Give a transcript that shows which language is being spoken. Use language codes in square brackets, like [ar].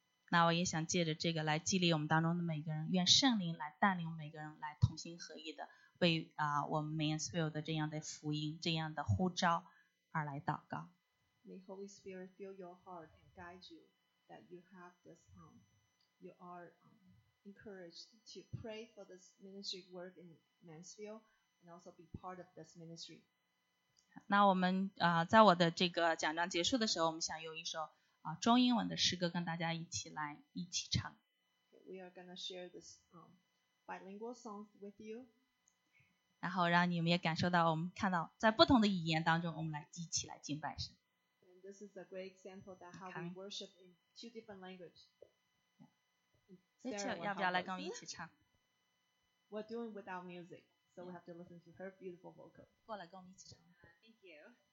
[zh] 那我也想借着这个来激励我们当中的每个人，愿圣灵来带领每个人来同心合意的为我们 Mansfield 的这样的福音、这样的呼召而来祷告。 [en] May Holy Spirit fill your heart and guide you that you have this, you are encouraged to pray for this ministry work in Mansfield and also be part of this ministry. [zh] 那我们在我的这个讲章结束的时候，我们想用一首中英文的诗歌跟大家一起唱。 [en] We are gonna share this bilingual song with you. [zh] 然后让你们也感受到，我们看到在不同的语言当中，我们来一起来敬拜神。 [en] And this is a great example that how we worship in two different languages. [zh] Rachel, 要不要来跟我们一起唱 [en] ？We're doing without music, so we have to listen to her beautiful vocal. [zh] 过来跟我们一起唱。 [en] Thank you.